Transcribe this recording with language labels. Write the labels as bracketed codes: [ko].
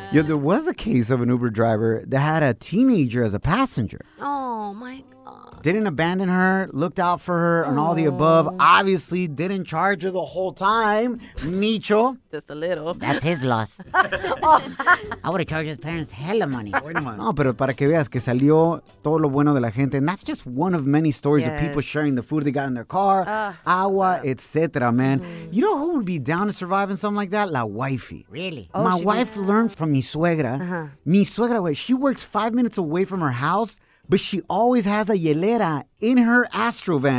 [en] Yeah, there was a case of an Uber driver that had a teenager as a passenger. Oh, my God. Didn't abandon her, looked out for her, and all the above. Obviously, didn't charge her the whole time. Micho. Just a little. That's his loss. I would have charged his parents hella money. [es] No, pero para que veas que salió todo lo bueno de la gente. [en] And that's just one of many stories of people sharing the food they got in their car, agua, etc., man. Mm-hmm. You know who would be down to survive in something like that? La wifey. Really? My wife learned from [es] mi suegra. Mi suegra, [en] she works 5 minutes away from her house. But she always has a hielera in her Astro van.